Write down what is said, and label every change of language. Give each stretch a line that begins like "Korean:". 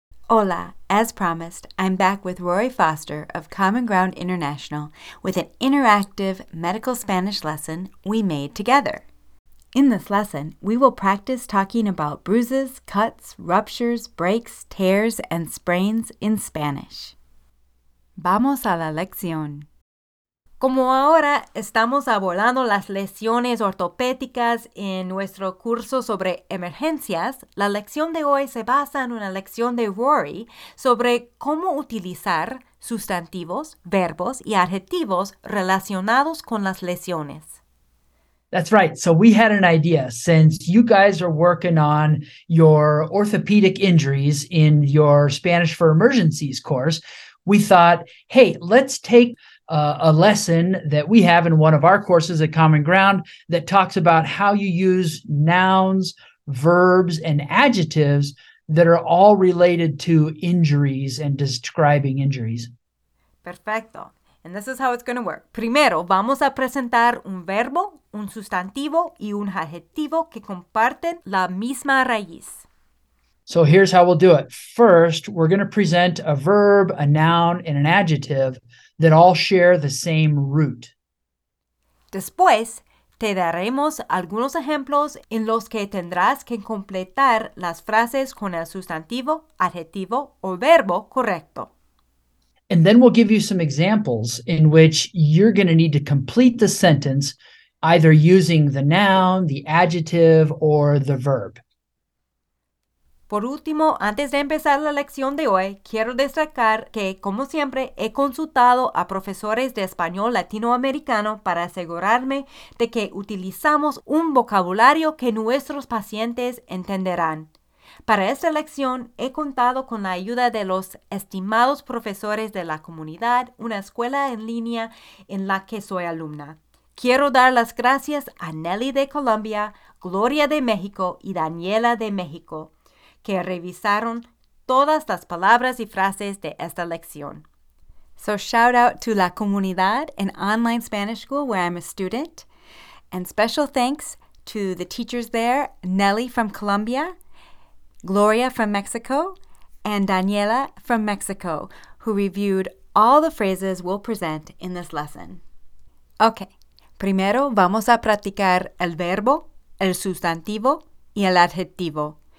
English: Hola, as promised, I'm back with Rory Foster of Common Ground International with an interactive medical Spanish lesson we made together. In this lesson, we will practice talking about bruises, cuts, ruptures, breaks, tears, and sprains in Spanish.
Spanish: Vamos a la lección. Como ahora estamos abordando las lesiones ortopédicas en nuestro curso sobre emergencias, la lección de hoy se basa en una lección de Rory sobre cómo utilizar sustantivos, verbos y adjetivos relacionados con las lesiones.
English: That's right. So we had an idea. Since you guys are working on your orthopedic injuries in your Spanish for Emergencies course, we thought, hey, let's take a lesson that we have in one of our courses at Common Ground that talks about how you use nouns, verbs, and adjectives that are all related to injuries and describing injuries.
Spanish: Perfecto.
English: And this is how it's going to work.
Spanish: Primero, vamos a presentar un verbo, un sustantivo, y un adjetivo que comparten la misma raíz.
English: So here's how we'll do it. First, we're going to present a verb, a noun, and an adjective that all share the same root.
Spanish: Después, te daremos algunos ejemplos en los que tendrás que completar las frases con el sustantivo, adjetivo, o verbo correcto.
English: And then we'll give you some examples in which you're going to need to complete the sentence either using the noun, the adjective, or the verb.
Spanish: Por último, antes de empezar la lección de hoy, quiero destacar que, como siempre, he consultado a profesores de español latinoamericano para asegurarme de que utilizamos un vocabulario que nuestros pacientes entenderán. Para esta lección, he contado con la ayuda de los estimados profesores de la comunidad, una escuela en línea en la que soy alumna. Quiero dar las gracias a Nelly de Colombia, Gloria de México y Daniela de México, que revisaron todas las palabras y frases de esta lección.
English: So shout out to La Comunidad, an online Spanish school where I'm a student. And special thanks to the teachers there, Nelly from Colombia, Gloria from Mexico, and Daniela from Mexico, who reviewed all the phrases we'll present in this lesson.
Spanish: Okay, primero vamos a practicar el verbo, el sustantivo y el adjetivo.